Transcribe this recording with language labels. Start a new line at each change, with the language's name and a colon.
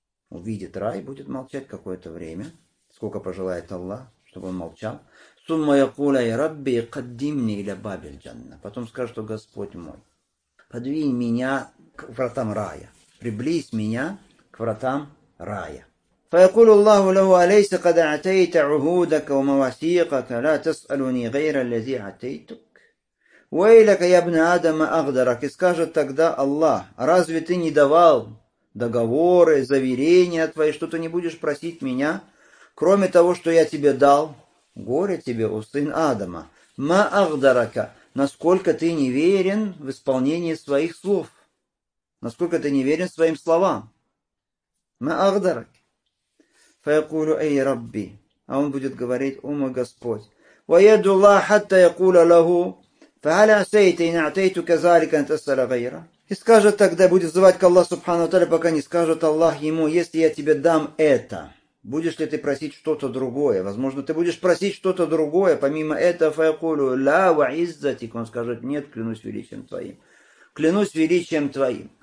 Russian: Увидит рай, будет молчать какое-то время. Сколько пожелает Аллах, чтобы он молчал.
Arabic: Сумма якуля и рабби каддимни иля бабель джанна.
Russian: Потом скажет, что: Господь мой, подвинь меня к вратам рая. Приблизь меня к вратам рая.
Arabic: فيقول الله له أليس قد أعطيت عهودك ومواثيقك لا تسألني غير الذي أعطيتك ويلك يا ابن آدم أغدرك.
Russian: И скажет тогда Аллах: разве ты не давал договоры, заверения твои, что ты не будешь просить меня, кроме того, что я тебе дал? Горе тебе, о сын Адама.
Arabic: Ма агдарака.
Russian: Насколько ты не верен в исполнении своих слов? Насколько ты не верен своим словам?
Arabic: Ма агдарак. فيقول اي ربي.
Russian: А он будет говорить: о мой Господь.
Arabic: ويدعو الله حتى يقول له فهل عسيت ان اعطيتك ذلك ان تسال غيره.
Russian: И скажет тогда, будет звать к Аллаху субхана ва тааля, пока не скажет Аллах ему: если я тебе дам это, будешь ли ты просить что-то другое? Возможно, ты будешь просить что-то другое помимо этого.
Arabic: فيقول لا وعزتك.
Russian: Он скажет: нет, клянусь величием твоим. Клянусь величием твоим.